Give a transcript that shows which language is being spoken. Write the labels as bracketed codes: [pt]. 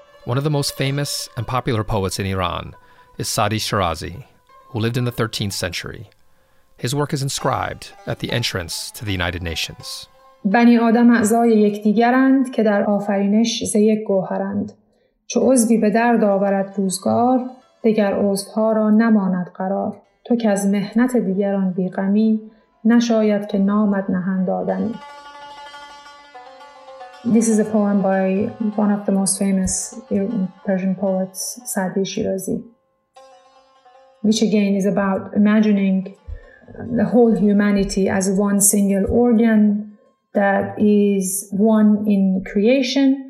[en] One of the most famous and popular poets in Iran is Sadi Shirazi, who lived in the 13th century. His work is inscribed at the entrance to the United Nations. [fa] بنی آدم اعضای یکدیگرند که در آفرینش ز یک گوهرند. چو عضوی به درد آورد روزگار، دیگر عضوها را نماند قرار. تو که از مهنت دیگران بیغمی، نشاید که نامت نهند آدمی. [en] This is a poem by one of the most famous Persian poets, Sadi Shirazi, which again is about imagining the whole humanity as one single organ that is one in creation.